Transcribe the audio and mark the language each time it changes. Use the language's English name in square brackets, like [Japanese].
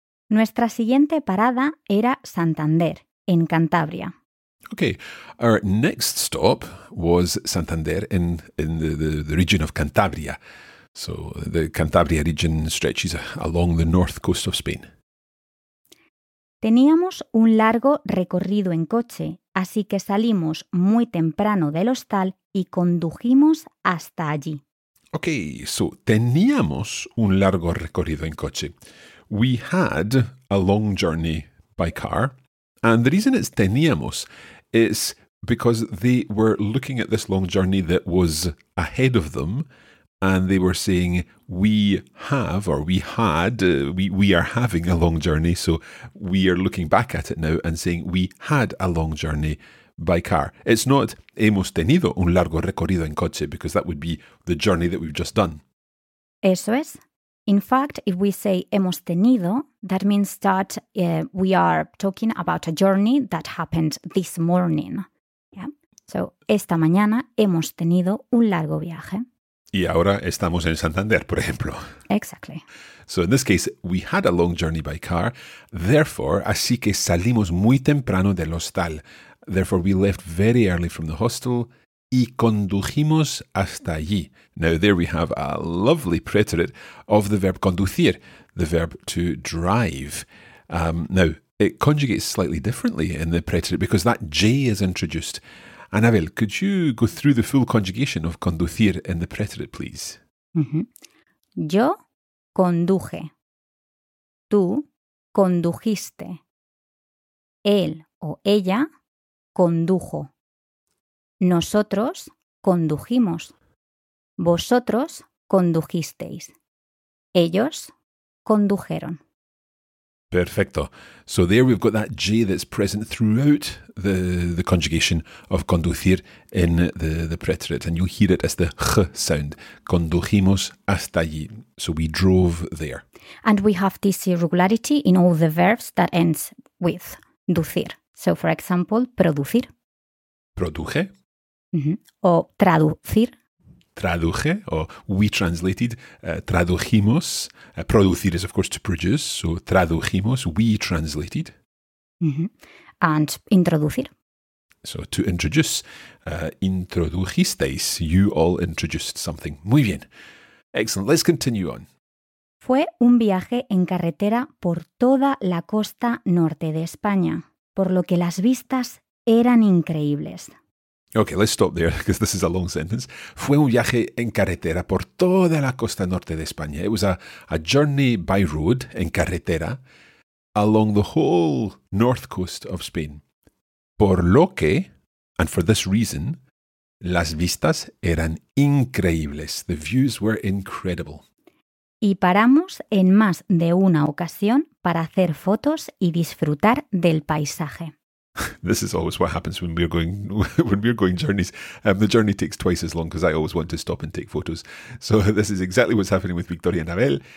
[Spanish] Nuestra siguiente parada era Santander, en Cantabria. [English] Okay, our next stop was Santander in the region of Cantabria. So the Cantabria region stretches along the north coast of Spain. [Spanish] Teníamos un largo recorrido en coche, así que salimos muy temprano del hostal y condujimos hasta allí. [English] Okay, so [Spanish] teníamos un largo recorrido en coche. [English] We had a long journey by car. And the reason it's teníamos is Because they were looking at this long journey that was ahead of them, and they were saying, we have, or we had, we are having a long journey. So we are looking back at it now and saying, we had a long journey by car. It's not, [Spanish] hemos tenido un largo recorrido en coche, [English] because that would be the journey that we've just done. [Spanish] Eso es. [English] In fact, if we say [Spanish] hemos tenido, [English] that means that we are talking about a journey that happened this morning. Yeah. [Spanish] So, esta mañana hemos tenido un largo viaje. Y ahora estamos en Santander, por ejemplo. [English] Exactly. So, in this case, we had a long journey by car. Therefore, [Spanish] así que salimos muy temprano del hostal. [English] Therefore, we left very early from the hostel. [Spanish] Y condujimos hasta allí. [English] Now, there we have a lovely preterite of the verb conducir, the verb to drive. Now, it conjugates slightly differently in the preterite because that J is introduced. Anabel, could you go through the full conjugation of conducir in the preterite, please? [Spanish] Mm-hmm. Yo conduje. Tú condujiste. Él o ella condujo. Nosotros condujimos. Vosotros condujisteis. Ellos condujeron. Perfecto. [English] So there we've got that J that's present throughout the conjugation of conducir in the preterite. And you'll hear it as the ch sound. [Spanish] Condujimos hasta allí. [English] So we drove there. And we have this irregularity in all the verbs that ends with ducir. So for example, producir. [Spanish] Produje. Mm-hmm. O traducir. Traduje, o [English] we translated, [Spanish] tradujimos. [English] Producir is, of course, to produce, so tradujimos, we translated. Mm-hmm. And introducir. So to introduce, introdujisteis, you all introduced something. [Spanish] Muy bien. [English] Excellent, let's continue on. [Spanish] Fue un viaje en carretera por toda la costa norte de España, por lo que las vistas eran increíbles. [English] Okay, let's stop there, because this is a long sentence. [Spanish] Fue un viaje en carretera por toda la costa norte de España. [English] It was a journey by road, [Spanish] en carretera, [English] along the whole north coast of Spain. [Spanish] Por lo que, [English] and for this reason, [Spanish] las vistas eran increíbles. [English] The views were incredible. [Spanish] Y paramos en más de una ocasión para hacer fotos y disfrutar del paisaje. [English] This is always what happens when we're going journeys. The journey takes twice as long because I always want to stop and take photos. So this is exactly what's happening with Victoria and Abel.